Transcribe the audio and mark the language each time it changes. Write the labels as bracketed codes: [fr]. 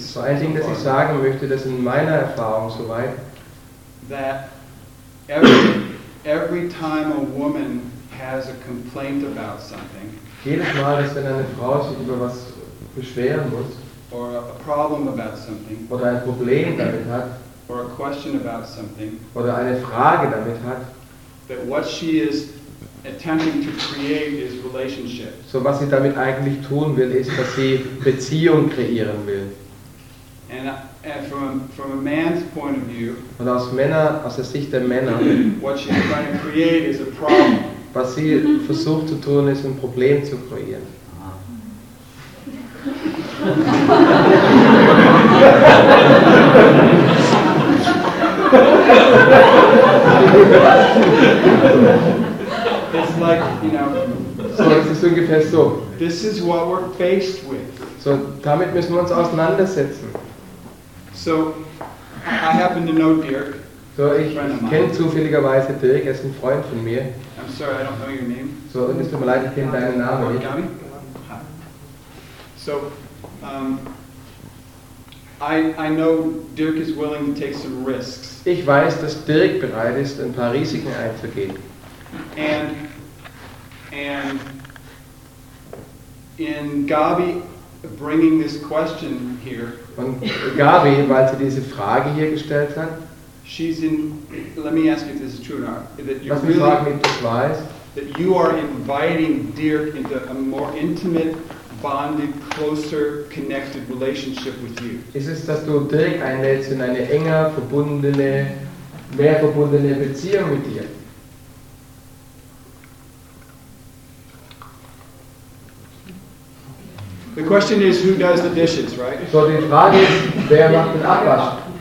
[de] so ein Ding, das ich sagen möchte, dass in meiner Erfahrung soweit, [en] that every every time a woman has a complaint about something, [de] jedes Mal, dass wenn eine Frau sich über was beschweren muss, [en] or a problem about something, [de] oder ein Problem damit hat, [en] or a question about something, [de] oder eine Frage damit hat, [en] that what she is attempting to create is relationship. [de] So was sie damit eigentlich tun will, ist, dass sie Beziehung kreieren will. [en] And from a man's point of view, [de] und aus Männer, aus der Sicht der Männer, [en] what she's trying to create is a problem. [de] Was sie versucht zu tun, ist ein Problem zu kreieren. [en] It's like, you know, [de] so es ist ungefähr so. [en] This is what we're faced with. [de] So damit müssen wir uns auseinandersetzen. [en] So I happen to know Dirk. [de] So ich kenne zufälligerweise Dirk, er ist ein Freund von mir. [en] I'm sorry, I don't know your name. [de] So und es tut mir leid, ich kenne deinen Namen nicht. Gabi? [en] So I know Dirk is willing to take some risks. [de] Ich weiß, dass Dirk bereit ist, ein paar Risiken einzugehen. [en] And in Gabi bringing this question here. [de] Und Gabi, weil sie diese Frage hier gestellt hat. [en] She's in. Let me ask you if this is true or not. That you're [de] lass mich [en] really, [de] fragen, weiß, [en] that you are inviting Dirk into a more intimate, bonded, closer, connected relationship with you. [de] Ist es, dass du Dirk einlädst in eine enger verbundene, mehr verbundene Beziehung mit dir? [en] The question is, who does the dishes, right? [de] So die Frage ist, wer macht den Abwasch?